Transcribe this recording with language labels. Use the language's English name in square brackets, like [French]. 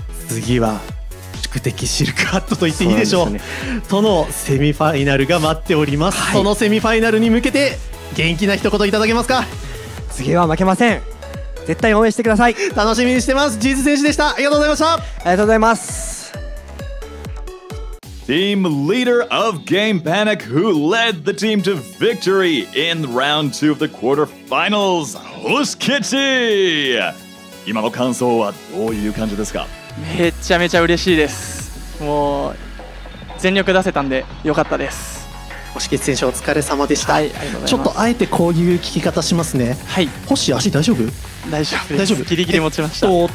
[Japanese] 次は宿敵シルクハットと言っていいでしょう、そうなんですね、とのセミファイナルが待っております。はい、そのセミファイナルに向けて元気な一言いただけますか？次は負けません、絶対応援してください。楽しみにしてます。ジーズ選手でした。ありがとうございました。ありがとうございます。 [English] Team leader of Game Panic, who led the team to victory in round 2 of the quarterfinals, Hoshikichi! [Japanese] 今の感想はどういう感じですか？めちゃめちゃ嬉しいです。もう全力出せたんで良かったです。星ケチ選手お疲れ様でした。はい、ありがとうございます。ちょっとあえてこういう聞き方しますね。はい、星足大丈夫？大丈夫です。大丈夫、ギリギリ持ちました。